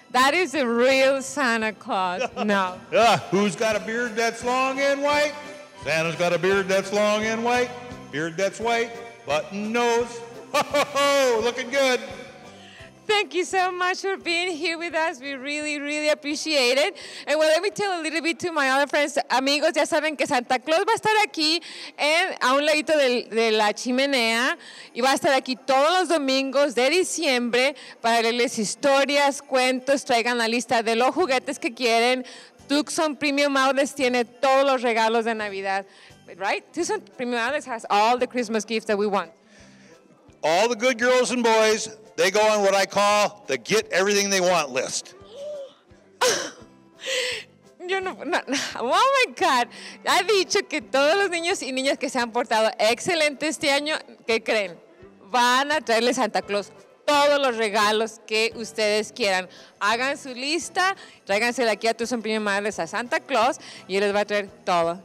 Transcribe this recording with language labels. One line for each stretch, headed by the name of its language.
English: That is a real Santa Claus. No. Who's got a beard that's long and white? Santa's got a beard that's long and white. Beard that's white, button nose. Ho, ho, ho, looking good. Thank you so much for being here with us. We really, really appreciate it. And well, let me tell a little bit to my other friends.
Spanish: Amigos, ya saben que Santa Claus va a estar aquí en, a un ladito de la chimenea y va a estar aquí todos los domingos de diciembre para leerles historias, cuentos, traigan la lista de los juguetes que quieren. Tucson Premium Outlets tiene todos los regalos de Navidad, right?
English: Tucson Premium Outlets has all the Christmas gifts that we want. All the good girls and boys, they go on what I call the get everything they want list. Oh my God.
Spanish: Ha dicho que todos los niños y niñas que se han portado excelente este año, ¿qué creen? Van a traerle Santa Claus todos los regalos que ustedes quieran. Hagan su lista, tráiganselo aquí a tus primos a Santa Claus y él les va a traer todo.